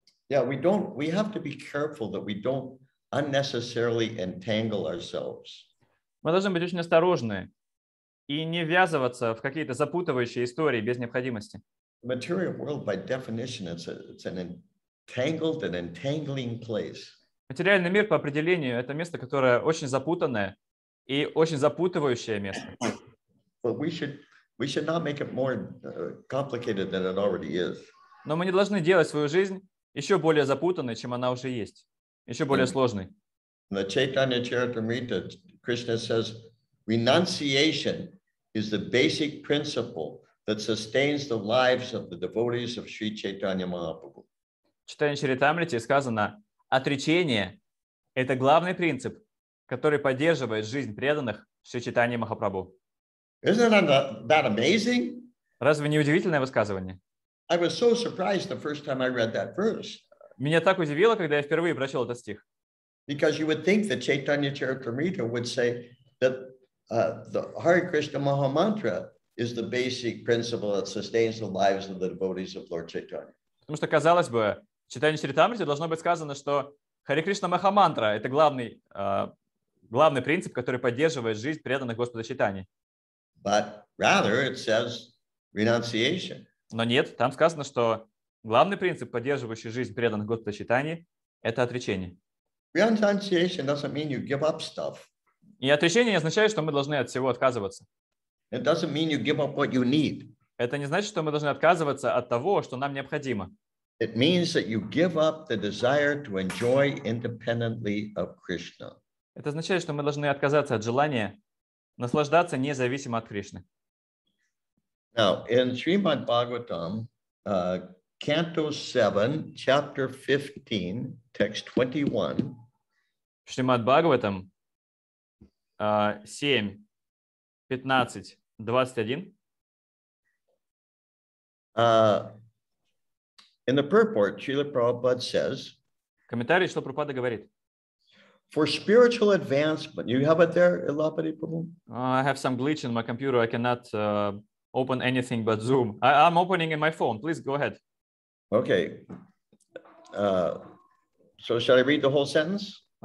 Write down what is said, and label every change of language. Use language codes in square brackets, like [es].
[en] Yeah, we have to be careful that we don't unnecessarily entangle ourselves. [ru] Мы должны быть очень осторожны и не ввязываться в какие-то запутывающие истории без необходимости. [en] Material world, by definition, it's an entangled and entangling place. [ru] Материальный мир по определению это место, которое очень запутанное и очень запутывающее место. [en] But we should not make it more complicated than it already is. [ru] Но мы не должны делать свою жизнь еще более запутанной, чем она уже есть, еще более сложной. [en] The Chaitanya Charitamrita, Krishna says, renunciation is the basic principle that sustains the lives of the devotees of Sri Chaitanya Mahaprabhu. [ru] В Чайтанья Чаритамрите сказано, отречение – это главный принцип, который поддерживает жизнь преданных Шри Чайтанья Махапрабху. [en] Isn't that amazing? [ru] Разве не удивительное высказывание? [en] I was so surprised the first time I read that verse. [ru] Меня так удивило, когда я впервые прочел этот стих. [en] Because you would think that Chaitanya Charitamrita would say that the Hare Krishna Maha Mantra is the basic principle that sustains the lives of the devotees of Lord Chaitanya. [ru] Потому что казалось бы, в Чайтанья Чаритамрите должно быть сказано, что Hare Krishna Maha Mantra это главный принцип, который поддерживает жизнь преданных Господа Чайтани. [en] But rather it says renunciation. [ru] Но нет, там сказано, что Главный принцип, поддерживающий жизнь преданных Господа Чайтаньи, это отречение. [en] Renunciation doesn't mean you give up stuff. [ru] И отречение не означает, что мы должны от всего отказываться. [en] It doesn't mean you give up what you need. [ru] Это не значит, что мы должны отказываться от того, что нам необходимо. [en] It means that you give up the desire to enjoy independently of Krishna. [ru] Это означает, что мы должны отказаться от желания наслаждаться независимо от Кришны. [en] Now, in Srimad Bhagavatam, Canto 7, Chapter 15, Text 21. [ru] В Шримад Бхагаватам 7:15-21. [en] In the purport, Srila Prabhupada says, [ru] комментарий, что Прабхупада говорит. [en] For spiritual advancement, you have it there, Illapati Prabhu? I have some glitch in my computer. I cannot open anything but Zoom. I'm opening in my phone. Please go ahead. Okay. So shall I read the whole sentence?